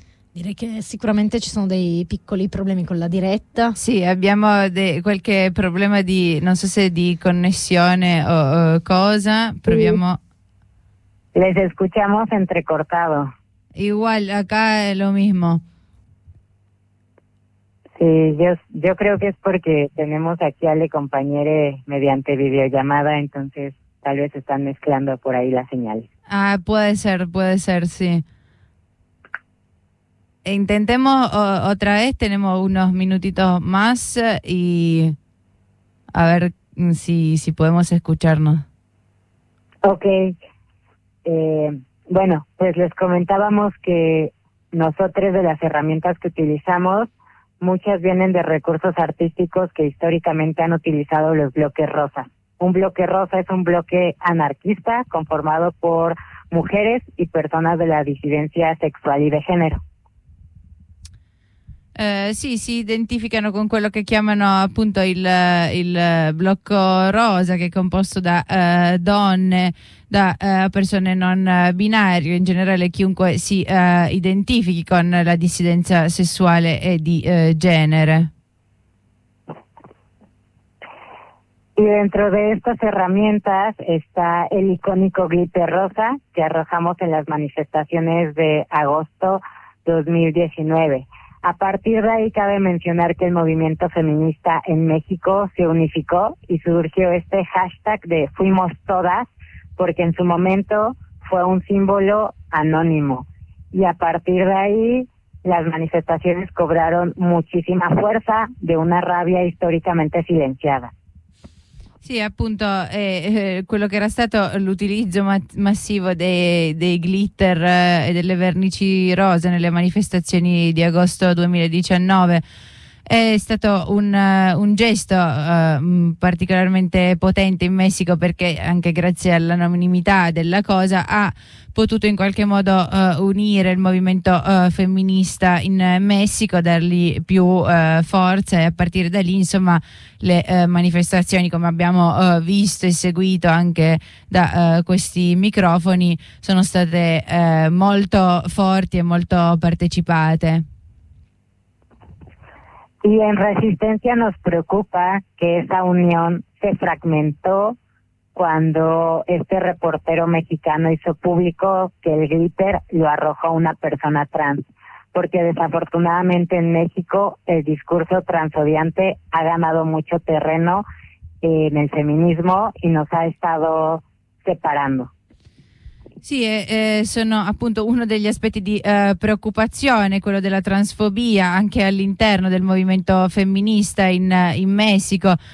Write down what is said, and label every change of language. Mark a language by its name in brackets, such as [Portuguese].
[Italian] Direi che sicuramente ci sono dei piccoli problemi con la diretta. Sì, abbiamo qualche problema di, non so se di connessione o cosa, proviamo. Sì. [Spanish] Les escuchamos entrecortado. Igual, acá è lo mismo. Sì, yo creo que es porque tenemos aquí alle compañere mediante videollamada, entonces tal vez están mezclando por ahí la señal. Ah, puede ser, sí. Intentemos otra vez, tenemos unos minutitos más y a ver si podemos escucharnos. Ok. Bueno, pues les comentábamos que nosotros de las herramientas que utilizamos, muchas vienen de recursos artísticos que históricamente han utilizado los bloques rosa. Un bloque rosa es un bloque anarquista conformado por mujeres y personas de la disidencia sexual y de género. [Italian] Sì, si identificano con quello che chiamano appunto il blocco rosa, che è composto da donne, da persone non binarie, in generale chiunque si identifichi con la dissidenza sessuale e di genere. [Spanish] Y dentro de estas herramientas está el icónico glitter rosa que arrojamos en las manifestaciones de agosto 2019. A partir de ahí cabe mencionar que el movimiento feminista en México se unificó y surgió este hashtag de Fuimos Todas, porque en su momento fue un símbolo anónimo. Y a partir de ahí las manifestaciones cobraron muchísima fuerza de una rabia históricamente silenciada. [Italian] Sì, appunto, quello che era stato l'utilizzo massivo dei glitter e delle vernici rose nelle manifestazioni di agosto 2019 è stato un gesto particolarmente potente in Messico, perché anche grazie all'anonimità della cosa ha potuto in qualche modo unire il movimento femminista in Messico, dargli più forza, e a partire da lì insomma le manifestazioni, come abbiamo visto e seguito anche da questi microfoni, sono state molto forti e molto partecipate. [Spanish] Y en Resistencia nos preocupa que esa unión se fragmentó cuando este reportero mexicano hizo público que el glitter lo arrojó una persona trans, porque desafortunadamente en México el discurso transodiante ha ganado mucho terreno en el feminismo y nos ha estado separando. [Italian] Sì, sono appunto uno degli aspetti di preoccupazione, quello della transfobia anche all'interno del movimento femminista in Messico.